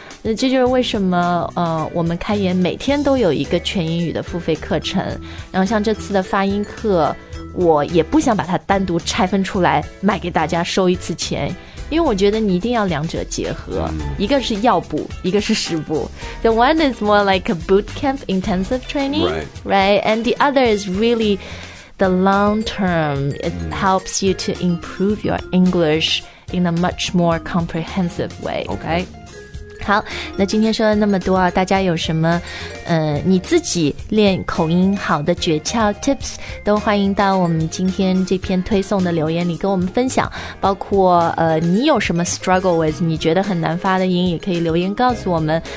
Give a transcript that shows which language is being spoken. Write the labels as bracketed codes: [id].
[zh] 那这就是为什么我们开言每天都有一个全英语的付费课程。然后像这次的发音课，我也不想把它单独拆分出来卖给大家收一次钱，因为我觉得你一定要两者结合，一个是要补，一个是实补。 [en] The one is more like a boot camp intensive training, right? And the other is really the long term. It helps you to improve your English in a much more comprehensive way. Okay. [zh] 好，那今天说了那么多啊，大家有什么你自己练口音好的诀窍 tips， 都欢迎到我们今天这篇推送的留言里跟我们分享。包括你有什么 struggle with， 你觉得很难发的音，也可以留言告诉我们。